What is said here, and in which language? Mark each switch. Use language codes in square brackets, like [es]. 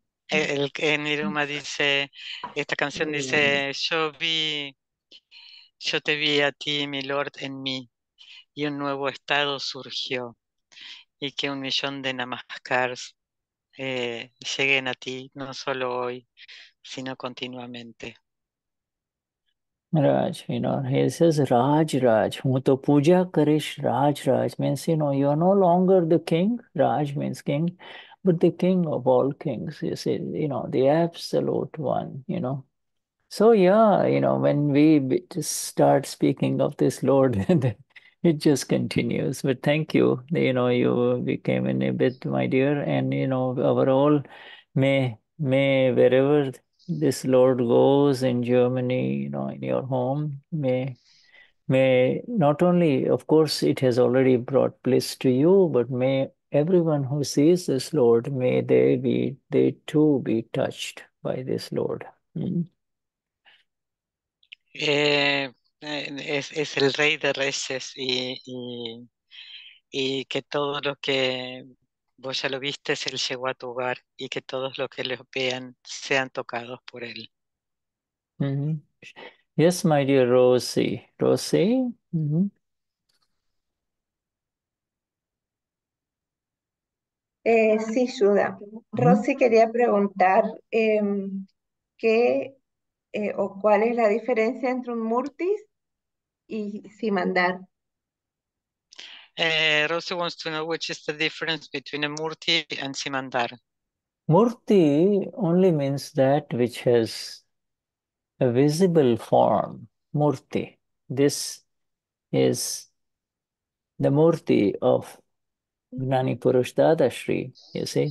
[es] El Niruma dice, esta canción dice, yo te vi a ti, mi Lord, en mí, y un nuevo estado surgió, y que un millón de namaskars lleguen a ti, no solo hoy, sino continuamente. [en] Raj, you know, he says, Raj, Raj, Muto Puja Karish, Raj, Raj, means, you know, you're no longer the king, Raj means king, but the king of all kings, you see, you know, the absolute one, you know. So, yeah, you know, when we start speaking of this Lord, It just continues. But thank you. You know, you became in a bit, my dear. And, you know, overall, may wherever this Lord goes in Germany, you know, in your home, may not only, of course, it has already brought bliss to you, but may everyone who sees this Lord, may they too be touched by this Lord. [es] Es el rey de reyes y que todo lo que vos ya lo viste, él llegó a tu hogar y que todos los que lo vean sean tocados por él. [en] Mm-hmm. Yes, my dear Rosie. Rosie? Mm-hmm. [es] Sí, Shuddha. Mm-hmm. Rosie quería preguntar qué o cuál es la diferencia entre un murtis y simandar. [en] Rosie wants to know which is the difference between a murti and simandar. Murti only means that which has a visible form, murti. This is the murti of Gnani Purush Dadashri, you see.